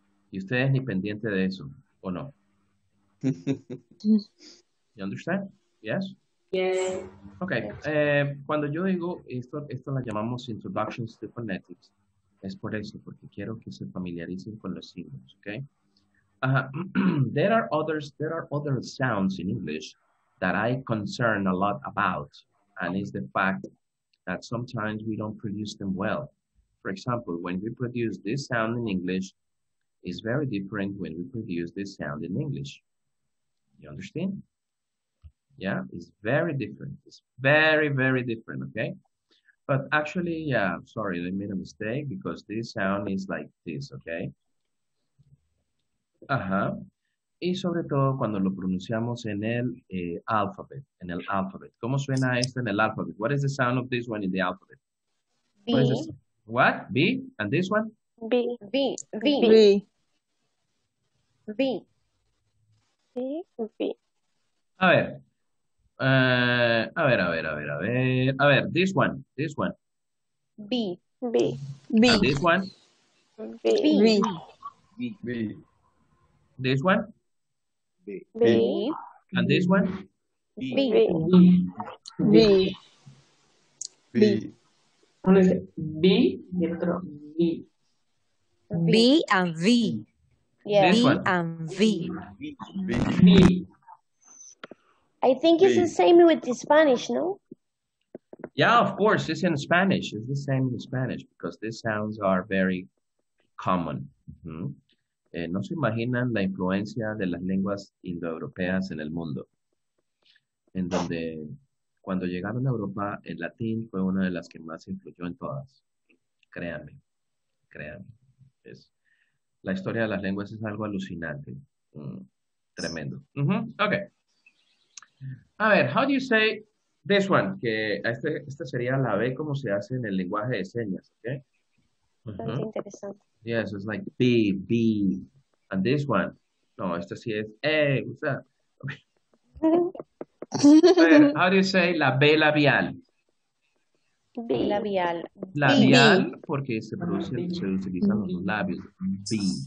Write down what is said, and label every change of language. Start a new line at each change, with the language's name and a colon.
Spanish: Y ustedes ni pendiente de eso, ¿o no?
English: You understand? Yes? Yes. Okay. Yes.
Spanish: Cuando yo digo esto, esto la llamamos Introductions to Phonetics. Es por eso, porque quiero que se familiaricen con los símbolos, ¿ok?
English: There are other sounds in English that I concern a lot about, and it's the fact that sometimes we don't produce them well. For example, when we produce this sound in English, it's very different when we produce this sound in English. You understand? Yeah, it's very different. It's very, very different, okay? But actually, yeah, sorry, I made a mistake because this sound is like this, okay?
Spanish: Ajá. Y sobre todo cuando lo pronunciamos en el alphabet, en el alphabet. ¿Cómo suena esto en el alphabet?
English: What is the sound of this one in the alphabet? B. What? B? And this one? B. B. B. B. B. B. B.
Spanish: A ver. A ver,
English: this one. B. B. B. And this one? B. B. B. B. B. This one? B. B. B. And this one? B. B. B. B. B. B. B. B and V. Yeah. B and V. B. B. I think it's the same with the Spanish, no? Yeah, of course, it's in Spanish. It's the same in Spanish because these sounds are very common.
Spanish: No se imaginan la influencia de las lenguas indoeuropeas en el mundo. En donde cuando llegaron a Europa, el latín fue una de las que más influyó en todas. Créanme, créanme. Es, la historia de las lenguas es algo alucinante. Tremendo. Okay. A ver,
English: how do you say this one?
Spanish: Que esta sería la B como se hace en el lenguaje de señas, ¿ok? Interesante.
English: Yes, it's like B, B. And this one? B.
Spanish: No, esto sí es.
English: Hey, what's up? Okay. How do you say
Spanish: la B labial?
English: B labial.
Spanish: Labial, B. Porque se produce, se utilizan los labios. B.